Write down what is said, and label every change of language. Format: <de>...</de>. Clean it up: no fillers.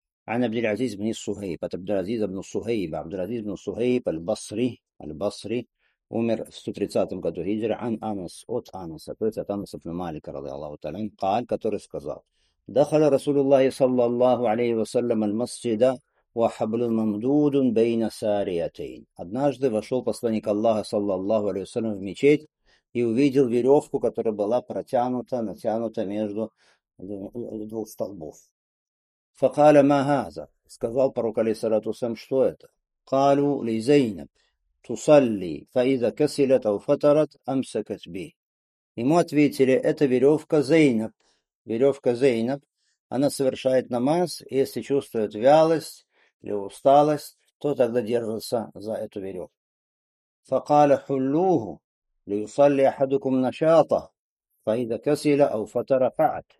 <ru>Ан Абдул-Азиз ибн Сухейб, от Абдул-Азиза ибн Сухейба, Абдул-Азиз ибн Сухейб аль-Басри, умер в 130 году Хиджры, ан Анас, от Анаса, то есть от Анаса ибн Малика, ради Аллаху Талян, Кааль, который сказал,</ru> <ar>دخل رسول الله صلى الله عليه وسلم المسجد وحبل ممدود بين ساريتين.</ar> <ru>Однажды вошел посланник Аллаха</ru> <ar>صلى الله عليه وسلم</ar> <ru>в мечеть и увидел веревку, которая была протянута, натянута между двух столбов.</ru> <ar>فقال ما هذا؟</ar> <ru>Сказал пророк</ru> <ar>عليه الصلاة والسلام,</ar> <ru>что это?</ru> <ar>قالوا لزينب تصلي فإذا كسلت أو فترت أمسكت به.</ar> <ru>Ему ответили, это веревка Зейнаб. Веревка Зейнаб, она совершает намаз, и если чувствует вялость или усталость, то тогда держится за эту веревку.</ru> <ar>فَقَالَ حُلُّوهُ لِيُصَلِّ أَحَدُكُمْ نَشَاطَهُ فَإِذَا كَسِلَ أَوْ فَتَرَ فَعَدْ.</ar>